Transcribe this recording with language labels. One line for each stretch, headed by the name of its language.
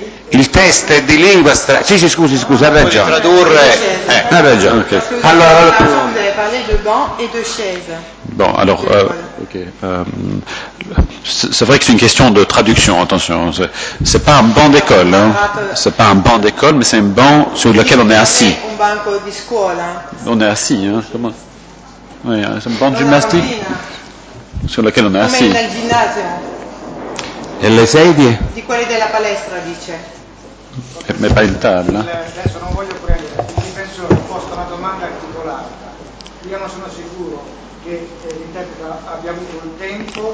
Italian: Il test è di lingua straniera. Sì, sì, scusi, scusa, ha ragione. Tradurre. Ha ragione. Okay. Allora,
French: vous avez parlé de banc et de chaise. Bon, alors, ok. C'est vrai que c'est une question de traduction, attention. C'est pas un banc d'école, hein. C'est pas un banc d'école, mais c'est un banc sur lequel on est assis.
Italian: Un banco di scuola.
French: On est assis, hein. Comment? Oui, c'est un banc de gymnastique. Sur laquelle on est assis.
Italian: Come nel ginnasio. E le sedie? Di quelle della palestra, dice. E me fa il tavolo. Adesso non voglio prendere, il difensore posta una domanda articolata. Io non sono sicuro che l'interprete abbia avuto il tempo.